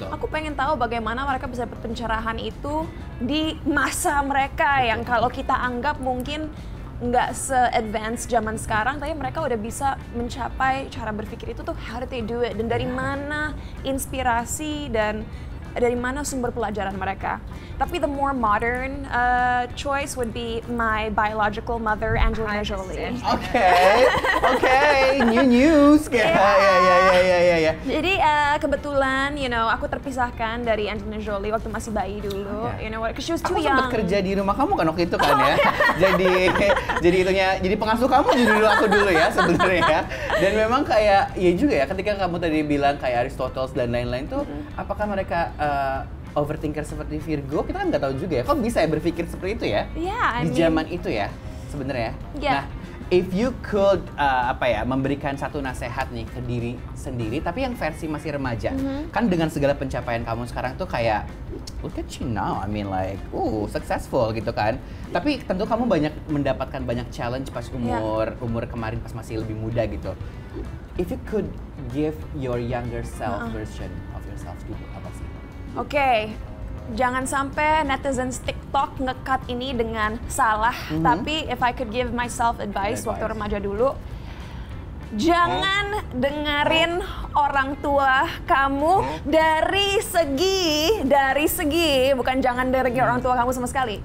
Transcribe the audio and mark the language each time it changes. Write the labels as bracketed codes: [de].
[id] Aku pengen tahu bagaimana mereka bisa dapat pencerahan itu di masa mereka yang kalau kita anggap mungkin nggak se-advance zaman sekarang, tapi mereka udah bisa mencapai cara berpikir itu tuh, [en] how did they do it? [id] Dan dari mana inspirasi dan dari mana sumber pelajaran mereka? [en] Tapi the more modern choice would be my biological mother, Angelina Jolie. Okay, new news. Yeah. [id] Jadi kebetulan, you know, aku terpisahkan dari Angelina Jolie waktu masih bayi dulu. [en] You know what? Because she was too young. [id] Aku sempat kerja di rumah kamu kan waktu itu kan ya. Jadi pengasuh kamu dulu aku dulu ya sebenarnya. Dan memang kayak ya juga ya, ketika kamu tadi bilang kayak Aristoteles dan lain-lain tuh, apakah mereka overthinker seperti Virgo? Kita kan nggak tahu juga ya. Kok bisa ya berpikir seperti itu ya? Di zaman itu ya, sebenarnya. Nah, [en] if you could [id] memberikan satu nasehat nih ke diri sendiri, tapi yang versi masih remaja, kan dengan segala pencapaian kamu sekarang tuh kayak [en] look at you now, I mean like, successful [id] gitu kan. Tapi tentu kamu banyak mendapatkan banyak challenge pas umur kemarin pas masih lebih muda gitu. [en] If you could give your younger self version of yourself to [id] apa sih? [en] Okay. [id] Jangan sampai netizens TikTok ngecut ini dengan salah. Mm-hmm. Tapi [en] if I could give myself advice [id] waktu remaja dulu, jangan dengerin orang tua kamu dari segi bukan jangan dengerin orang tua kamu sama sekali.